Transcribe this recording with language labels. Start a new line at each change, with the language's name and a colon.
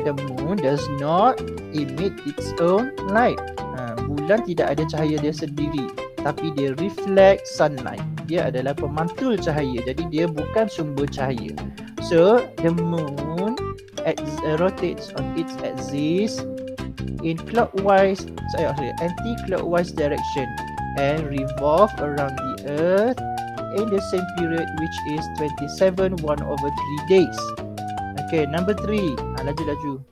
English: The moon does not emit its own light.
Indonesian: Bulan tidak ada cahaya dia sendiri,
English: tapi dia reflect sunlight.
Indonesian: Dia adalah pemantul cahaya, jadi dia bukan sumber cahaya.
English: So the moon rotates on its axis in clockwise, sorry, anti-clockwise direction and revolve around the earth in the same period, which is 27 1/3 days. Okay, number 3. Laju.